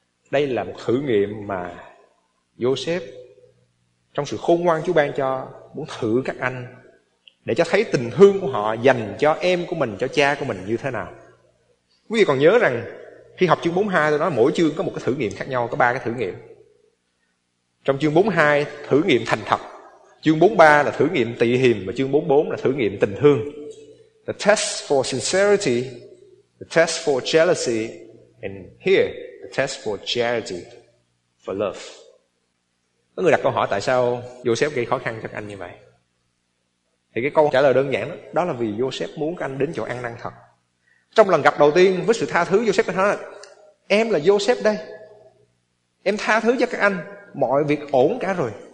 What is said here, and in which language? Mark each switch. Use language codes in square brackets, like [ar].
[vi] Đây là một thử nghiệm mà Joseph, trong sự khôn ngoan Chúa ban cho, muốn thử các anh, để cho thấy tình thương của họ dành cho em của mình, cho cha của mình như thế nào. Quý vị còn nhớ rằng khi học chương 42 tôi nói mỗi chương có một cái thử nghiệm khác nhau, có ba cái thử nghiệm. Trong chương 42 thử nghiệm thành thật, chương 43 là thử nghiệm tị hiềm, và chương 44 là thử nghiệm tình thương. [en] The test for sincerity, the test for jealousy, and here the test for charity, for love. [vi] Có người đặt câu hỏi tại sao Joseph gây khó khăn cho các anh như vậy. Thì cái câu trả lời đơn giản đó, đó là vì Joseph muốn các anh đến chỗ ăn năn thật. Trong lần gặp đầu tiên với sự tha thứ, Joseph đã nói là em là Joseph đây, em tha thứ cho các anh, mọi việc ổn cả rồi.